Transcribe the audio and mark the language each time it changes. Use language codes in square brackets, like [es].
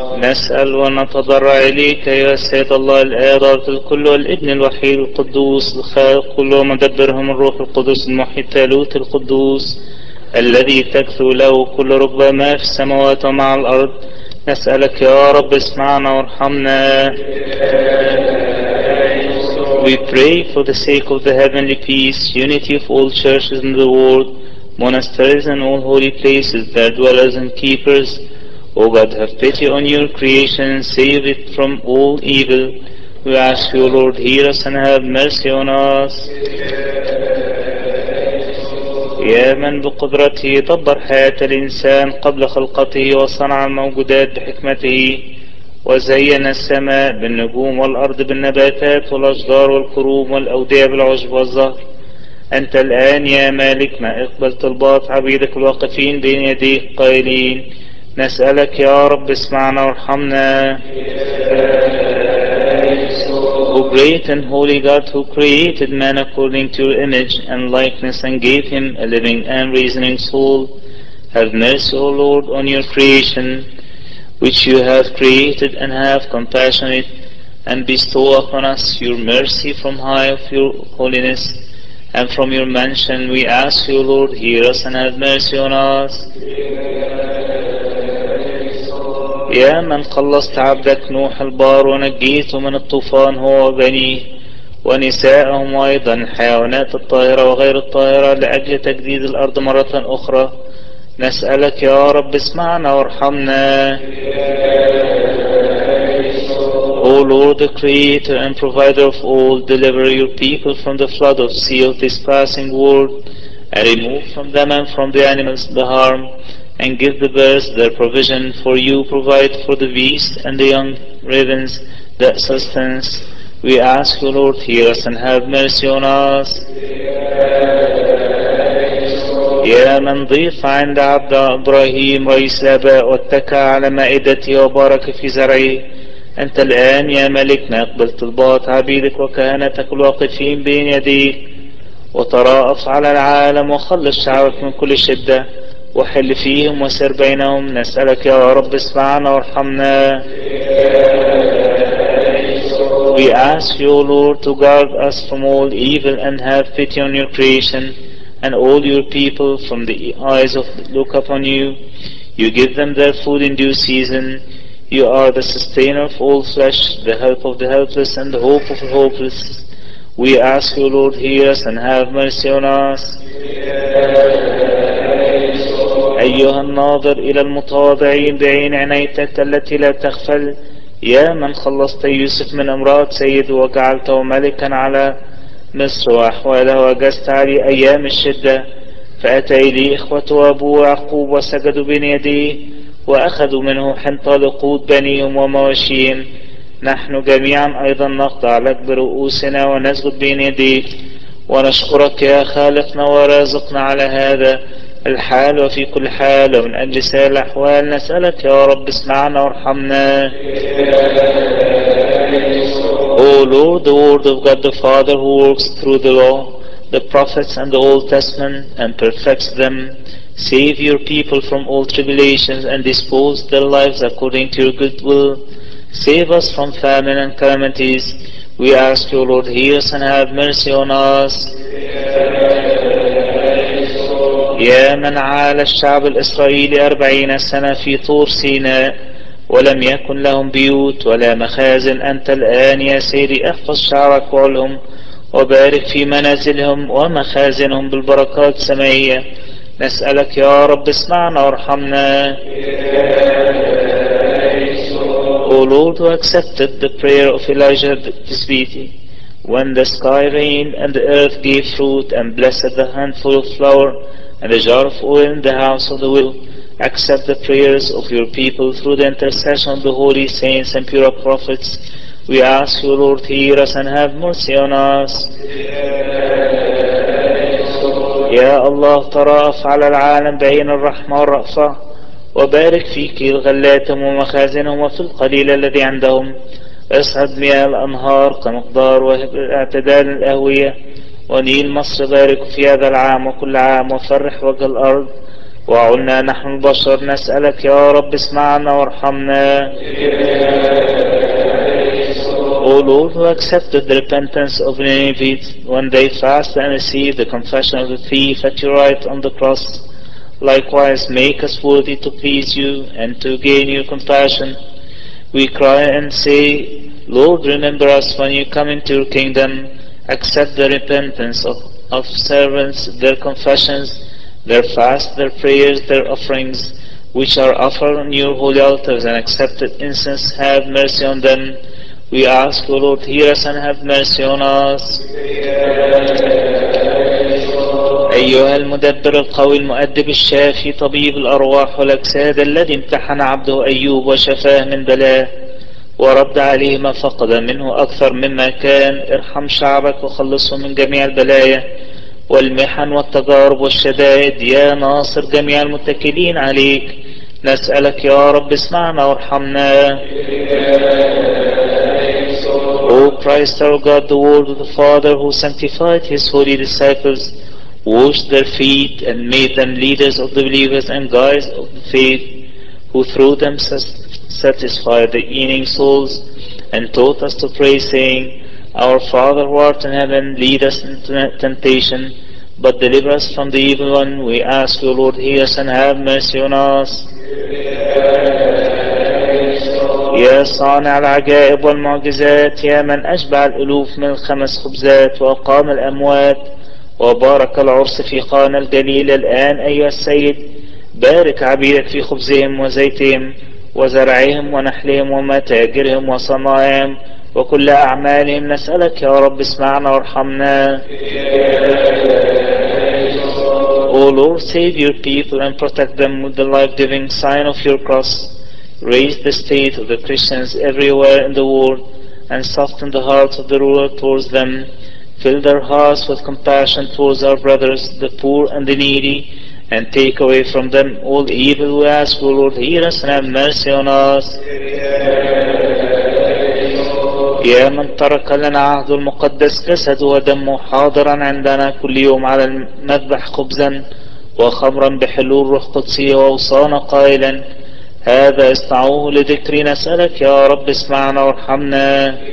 [ar] نسأل ونتضرع إليك يا سيد الله الآب الكل والابن الوحيد القدوس الخالق كل ومدبرهم الروح القدس المحيي التالوت القدوس الذي تكثو له كل رب ما في السماوات ومع الأرض، نسألك يا رب اسمعنا وارحمنا. [en] We pray for the sake of the heavenly peace, unity of all churches in the world, monasteries and all holy places, their dwellers and keepers. O God, have pity on your creation and save it from all evil. We ask you, Lord, hear us and have mercy on us. [ar] يا من بقدرته دبر حياة الإنسان قبل خلقته وصنع الموجودات بحكمته وزين السماء بالنجوم والأرض بالنباتات والأشجار والكروم والأودية بالعشب والزهر. أنت الآن يا مالك ما إقبلت الباط عبيدك الواقفين بين يديك قائلين، نسألك يا رب اسمعنا وارحمنا. [en] O great and holy God who created man according to your image and likeness and gave him a living and reasoning soul, have mercy, O Lord, on your creation which you have created, and have compassion on it, and bestow upon us your mercy from high of your holiness and from your mansion. We ask you, Lord, hear us and have mercy on us. [ar] يا من خلصت عبدك نوح البار ونجيته من الطوفان هو وبنيه ونساءهم أيضا حيوانات الطاهرة وغير الطاهرة لأجل تجديد الأرض مرة أخرى، نسألك يا رب اسمعنا وارحمنا. [en] O Lord, the Creator and Provider of all, deliver your people from the flood of sea of this passing world, and remove from them and from the animals the harm, and give the birds their provision, for you provide for the beast and the young ravens that sustenance. We ask you, Lord, hear us and have mercy on us. [ar] يا من ضيف عند عبد إبراهيم رئيس الآباء واتكى على مائدته وبارك في زرعه، أنت الآن يا ملكنا أقبل طلبات عبيدك وكهنتك الواقفين بين يديك، وترأف على العالم وخلص شعبك من كل شدة وحل فيهم وسر بينهم. نسألك يا رب اسمعنا وارحمنا. [en] We ask you, Lord, to guard us from all evil and have pity on your creation and all your people from the eyes of look upon you. You give them their food in due season. You are the sustainer of all flesh, the help of the helpless and the hope of the hopeless. We ask you, Lord, hear us and have mercy on us. [ar] أيها الناظر إلى المتواضعين بعين عنايتك التي لا تغفل، يا من خلصت يوسف من امرأة سيد وجعلته ملكا على مصر وأحواله وجزت عليه أيام الشدة، فأتى إلي إخوته وأبوه يعقوب وسجدوا بين يديه وأخذوا منه حنطة لقود بنيهم ومواشيهم. نحن جميعا أيضا نخضع لك برؤوسنا ونسجد بين يديك ونشكرك يا خالقنا ورازقنا على هذا الحال وفي كل حال ومن أجل سائر الأحوال. نسألك يا رب اسمعنا وارحمنا. [en] O Lord, the word of God the Father, who works through the law, the prophets and the Old Testament and perfects them, save your people from all tribulations and dispose their lives according to your good will. Save us from famine and calamities. We ask you, Lord, hear us and have mercy on us. [ar] يا من عال الشعب الإسرائيلي 40 سنة في طور سيناء ولم يكن لهم بيوت ولا مخازن، أنت الآن يا سيدي احفظ شعرك وعلهم وبارك في منازلهم ومخازنهم بالبركات السماوية. نسألك يا رب اسمعنا وارحمنا. [en] O Lord, who accepted the prayer of Elijah Tisbiti when the sky rained and the earth gave fruit and blessed the handful of flour and the jar of oil in the house of the will, accept the prayers of your people through the intercession of the holy saints and pure prophets. We ask you, Lord, hear us and have mercy on us. [ar] يا الله ترأف على العالم بعين الرحمة والرأفة وبارك في كيل غلاتهم ومخازنهم وفي القليل الذي عندهم. اسعد مياه الأنهار كمقدار واعتدال الأهوية ونيل مصر، بارك في هذا العام وكل عام وفرح وجه الأرض وعنا نحن البشر. نسألك يا رب اسمعنا وارحمنا. [en] O Lord, who accepted the repentance of Ninevites when they fast and received the confession of the thief at your right on the cross, likewise make us worthy to please you and to gain your compassion. We cry and say, Lord, remember us when you come into your kingdom. Accept the repentance of servants, their confessions, their fast, their prayers, their offerings, which are offered on your holy altars and accepted incense. Have mercy on them. We ask, O Lord, hear us and have mercy on us. [ar] أيها المدبر القوي المؤدب الشافي طبيب الأرواح والأجساد الذي امتحن عبده أيوب وشفاه من بلاه ورد عليه ما فقد منه أكثر مما كان، ارحم شعبك وخلصه من جميع البلايا والمحن والتجارب والشدائد يا ناصر جميع المتكلين عليك. نسألك يا رب اسمعنا وارحمنا. [en] O Christ our God, the Word of the Father, who sanctified his holy disciples, washed their feet and made them leaders of the believers and guides of the faith, who through them satisfied the yearning souls and taught us to pray, saying, Our Father who art in heaven, lead us into temptation, but deliver us from the evil one. We ask you, Lord, hear us and have mercy on us. [ar] يا صانع العجائب والمعجزات، يا من أشبع الألوف من الخمس خبزات وأقام الأموات وبارك العرس في قانا الجليل، الآن أيها السيد بارك عبيدك في خبزهم وزيتهم وزرعهم ونحلهم ومتاجرهم وصنائعهم وكل أعمالهم. نسألك يا رب اسمعنا وارحمنا. [en] O Lord, save your people and protect them with the life-giving sign of your cross. Raise the state of the Christians everywhere in the world and soften the hearts of the ruler towards them. Fill their hearts with compassion towards our brothers, the poor and the needy, and take away from them all the evil. We ask, O Lord, hear us and have mercy on us. [ar] يا من ترك لنا عهد المقدس جسد ودمه حاضرا عندنا كل يوم على المذبح خبزا وخمرا بحلول روح قدسية ووصانا قائلا هذا اصنعوه لذكري نسألك يا رب اسمعنا وارحمنا